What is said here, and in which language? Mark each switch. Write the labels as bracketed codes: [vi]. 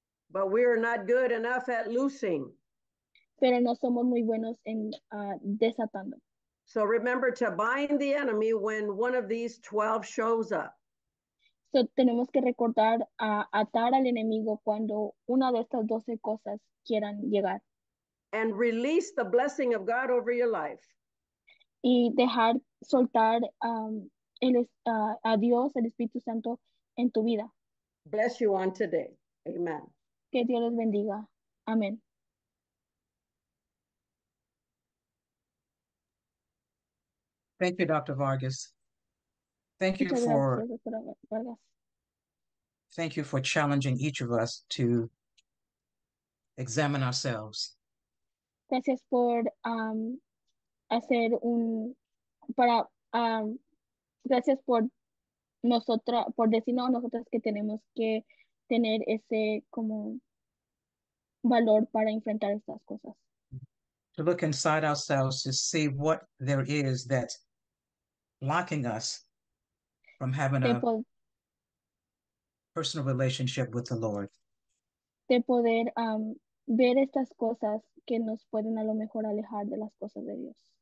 [en] But we are not good enough at loosing. [es] Pero no somos muy buenos en desatando. [en] So remember to bind the enemy when one of these 12 shows up. [es] So tenemos que recordar a atar al enemigo cuando una de estas 12 cosas quieran llegar. [en] And release the blessing of God over your life. [es] y dejar soltar a Dios, el Espíritu Santo, en tu vida. [en] Bless you on today. Amen. [es] Que Dios les bendiga. Amén. [en] Thank you, Dr. Vargas. Thank you [es] Muchas [en] for [es] gracias. [en] thank you for challenging each of us to examine ourselves. [es] Gracias por hacer un para gracias por nosotras por decirnos a nosotras que tenemos que tener ese como valor para enfrentar estas cosas. [en] To look inside ourselves to see what there is that blocking us from having a personal relationship with the Lord. [es] De poder ver estas cosas que nos pueden a lo mejor alejar de las cosas de Dios.